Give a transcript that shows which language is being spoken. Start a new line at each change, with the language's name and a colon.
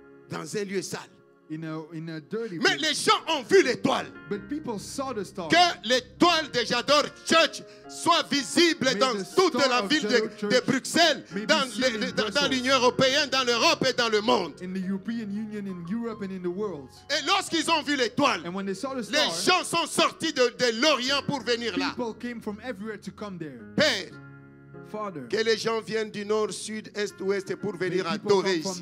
French: Dans un lieu sale.
English: In a dirty
French: mais place. Les gens ont vu l'étoile.
English: But people saw the star.
French: Que l'étoile de J'adore Church soit visible
English: may
French: dans toute la ville de Bruxelles, dans l'Union Européenne, dans l'Europe et dans le monde.
English: In the European Union, in Europe and in the world.
French: Et lorsqu'ils ont vu l'étoile,
English: and when they saw the star,
French: les gens sont sortis de l'Orient pour venir là.
English: People came from everywhere to come there.
French: Père,
English: Father,
French: que les gens viennent du nord, sud, est, ouest pour venir adorer ici.